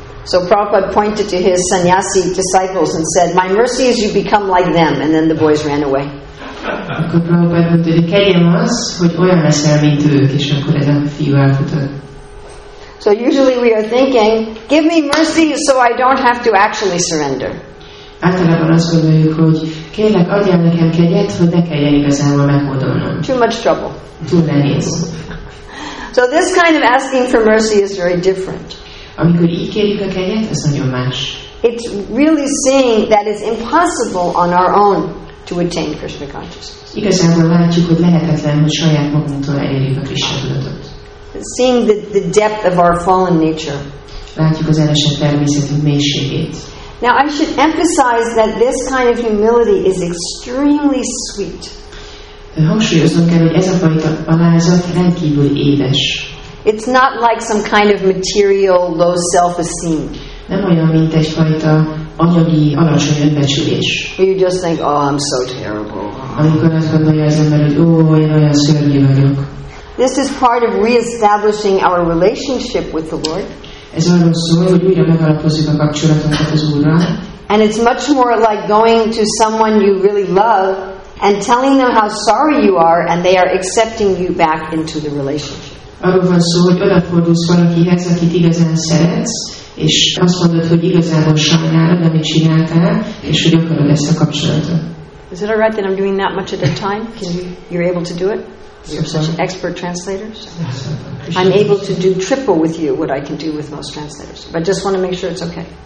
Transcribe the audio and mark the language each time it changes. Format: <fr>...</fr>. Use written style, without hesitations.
<en>So Prabhupád pointed to his sannyasi disciples and said, "My mercy is you become like them," and then the boys ran away.</en> <hu>Akkor Prabhupád mondta, hogy a kegyem az, hogy olyan leszel, mint ők, és akkor ez a fiú elfutott.</hu> <en>So usually we are thinking, give me mercy so I don't have to actually surrender.</en> <hu>Általában azt gondoljuk, hogy kérlek, adjál nekem kegyet, hogy ne kelljen igazából meghódolnom.</hu> <en>Too much trouble.</en> <hu>Túl nehéz.</hu> <en>So this kind of asking for mercy is very different.</en> <hu>Amikor így kérjük a kegyet, az nagyon más.</hu> <en>It's really seeing that it's impossible on our own to attain Krishna consciousness.</en> <hu>Igazából látjuk, hogy lehetetlen, hogy saját magunktól elérjük a Krishna tudatot.</hu> <en>Seeing the depth of our fallen nature.</en> <hu>Látjuk az elesett természetünk mélységét.</hu> <en>Now I should emphasize that this kind of humility is extremely sweet.</en> <hu>Hangsúlyoznom kell, hogy ez a fajta alázat rendkívül édes.</hu> <en>It's not like some kind of material low self-esteem.</en> <hu>Nem olyan, mint egy fajta anyagi alacsony önbecsülés.</hu> <en>You just think, oh, I'm so terrible.</en> <hu>Amikor azt gondolja az ember, hogy ó, én olyan szörnyű vagyok.</hu> <en>This is part of re-establishing our relationship with the Lord.</en> <hu>Ez arról szól, hogy újra megalapozzuk a kapcsolatunkat az Úrral.</hu> <en>And it's much more like going to someone you really love and telling them how sorry you are, and they are accepting you back into the relationship.</en> <hu>Arról van szó, hogy oda fordulsz valakihez, akit igazán szeretsz, és azt mondod, hogy igazából sajnálod, amit csináltál, és hogy akarod ezt a kapcsolatot.</hu> <en>Is it all right that I'm doing that much at a time? Can you, you're able to do it? You're such an expert translator. So I'm able to do triple with you what I can do with most translators. But just want to make sure it's okay.</en>